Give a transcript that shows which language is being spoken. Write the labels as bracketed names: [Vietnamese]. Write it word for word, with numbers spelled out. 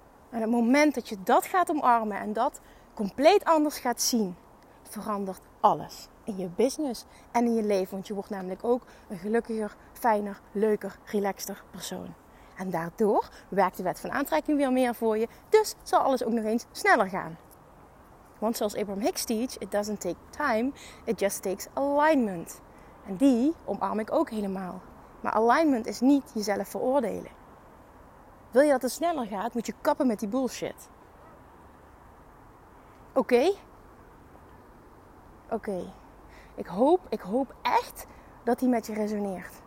[Dutch] En het moment dat je dat gaat omarmen en dat compleet anders gaat zien, verandert alles in je business en in je leven. Want je wordt namelijk ook een gelukkiger, fijner, leuker, relaxter persoon. En daardoor werkt de wet van aantrekking weer meer voor je. Dus zal alles ook nog eens sneller gaan. Want zoals [English] Abraham Hicks teach, it doesn't take time, it just takes alignment. [Dutch] En die omarm ik ook helemaal. Maar alignment is niet jezelf veroordelen. Wil je dat het sneller gaat, moet je kappen met die bullshit. Oké? Okay? Oké, okay. ik hoop, ik hoop echt dat die met je resoneert.